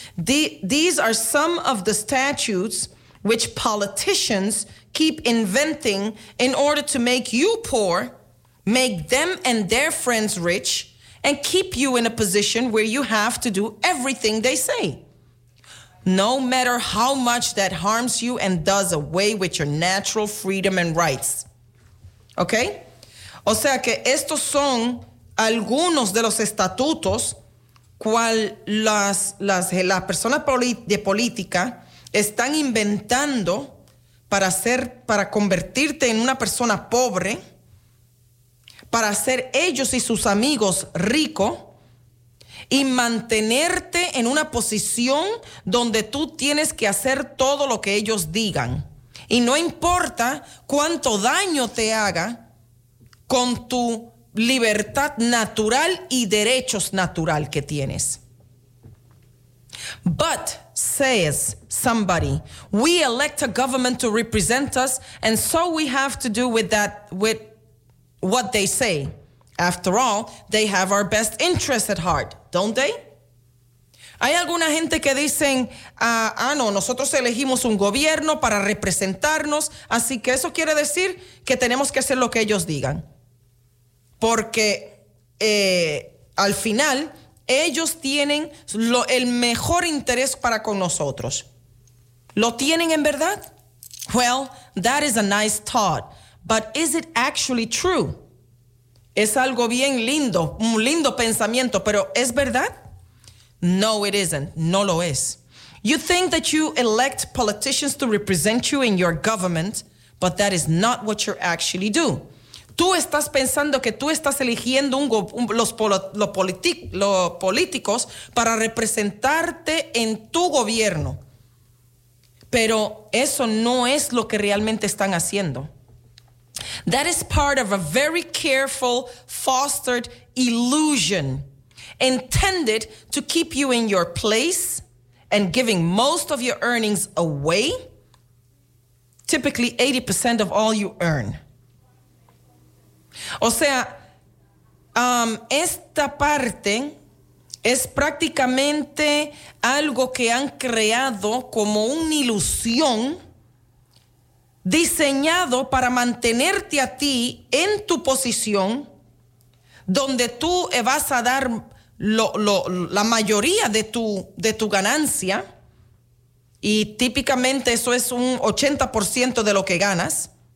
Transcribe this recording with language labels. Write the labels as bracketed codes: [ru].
[en] These are some of the statutes which politicians keep inventing in order to make you poor, make them and their friends rich, and keep you in a position where you have to do everything they say. No matter how much that harms you and does away with your natural freedom and rights. [es] ¿Ok? O sea que estos son algunos de los estatutos cual las personas de política están inventando para convertirte en una persona pobre, para hacer ellos y sus amigos ricos y mantenerte en una posición donde tú tienes que hacer todo lo que ellos digan. Y no importa cuánto daño te haga con tu libertad natural y derechos natural que tienes. [en] But, says somebody, we elect a government to represent us, and so we have to do with that, with what they say. After all, they have our best interests at heart, don't they? [es] Hay alguna gente que dicen, no, nosotros elegimos un gobierno para representarnos, así que eso quiere decir que tenemos que hacer lo que ellos digan. Porque al final, ellos tienen el mejor interés para con nosotros. ¿Lo tienen en verdad? [en] Well, that is a nice thought, but is it actually true? [es] Es algo bien lindo, un lindo pensamiento, pero ¿es verdad? [en] No, it isn't. [es] No lo es. [en] You think that you elect politicians to represent you in your government, but that is not what you actually do. [es] Tú estás pensando que tú estás eligiendo los políticos para representarte en tu gobierno. Pero eso no es lo que realmente están haciendo. [en] That is part of a very careful, fostered illusion intended to keep you in your place and giving most of your earnings away, typically 80% of all you earn. [es] O sea, esta parte es prácticamente algo que han creado como una ilusión diseñado para mantenerte a ti en tu posición donde tú vas a dar la mayoría de tu ganancia, y típicamente eso es un 80% de lo que ganas.